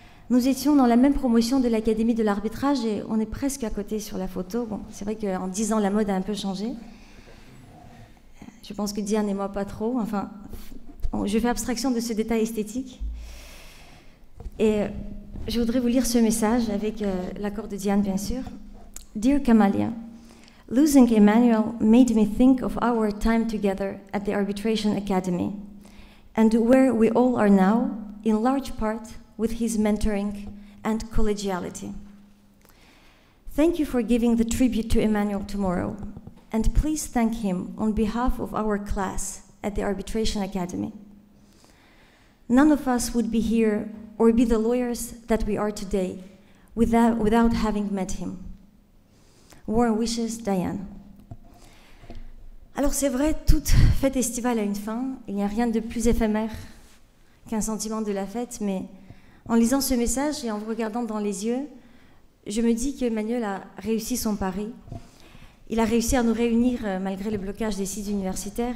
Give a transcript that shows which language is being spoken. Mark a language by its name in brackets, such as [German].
[French] Nous étions dans la même promotion de l'Académie de l'arbitrage et on est presque à côté sur la photo. Bon, c'est vrai qu'en 10 ans, la mode a un peu changé. Je pense que Diane et moi, pas trop. Enfin, bon, je fais abstraction de ce détail esthétique. Et je voudrais vous lire ce message avec l'accord de Diane, bien sûr. [English] Dear Camalia, losing Emmanuel made me think of our time together at the Arbitration Academy and where we all are now, in large part with his mentoring and collegiality. Thank you for giving the tribute to Emmanuel tomorrow, and please thank him on behalf of our class at the Arbitration Academy. None of us would be here or be the lawyers that we are today without having met him. Warm wishes, Diane. [French] Alors c'est vrai, toute fête estivale a une fin, il n'y a rien de plus éphémère qu'un sentiment de la fête, mais en lisant ce message et en vous regardant dans les yeux, Je me dis qu'Emmanuel a réussi son pari. Il a réussi à nous réunir malgré le blocage des sites universitaires.